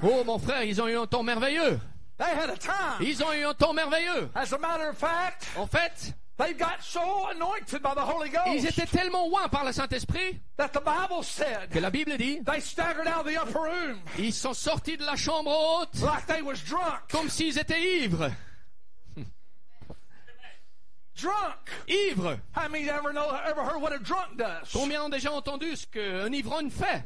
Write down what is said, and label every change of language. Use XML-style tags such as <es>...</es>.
<fr>Oh mon frère, ils ont eu un temps merveilleux.</fr> <en>They had a time.</en> <fr>Ils ont eu un temps merveilleux.</fr> <en>As a matter of fact.</en> <fr>En fait,</fr> <en>they got so anointed by the Holy Ghost.</en> <fr>Ils étaient tellement oints par le Saint-Esprit.</fr> <en>That the Bible said.</en> <fr>Que la Bible dit.</fr> <en>They staggered out of the upper room.</en> <fr>Ils sont sortis de la chambre haute.</fr> <en>Like they was drunk.</en> <fr>Comme s'ils étaient ivres.</fr> <en>Drunk.</en> <fr>Ivre.</fr> <en>How many ever heard what a drunk does?</en> <fr>Combien ont déjà entendu ce qu'un ivrogne fait?</fr>